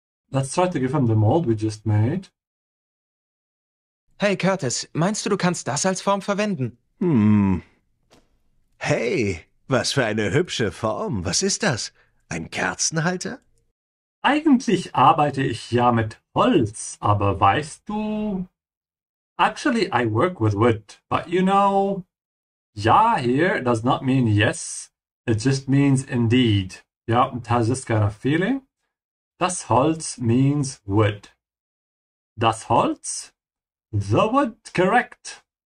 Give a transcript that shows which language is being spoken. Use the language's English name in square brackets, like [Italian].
[English] Let's try to give him the mold we just made. [German] Hey Curtis, meinst du, du kannst das als Form verwenden? Hey, was für eine hübsche Form. Was ist das? Ein Kerzenhalter? Eigentlich arbeite ich ja mit Holz, aber weißt du... [English] Actually, I work with wood, but you know... Ja here does not mean yes, it just means indeed. Ja, it has this kind of feeling. Das Holz means wood. Das Holz? The wood, correct.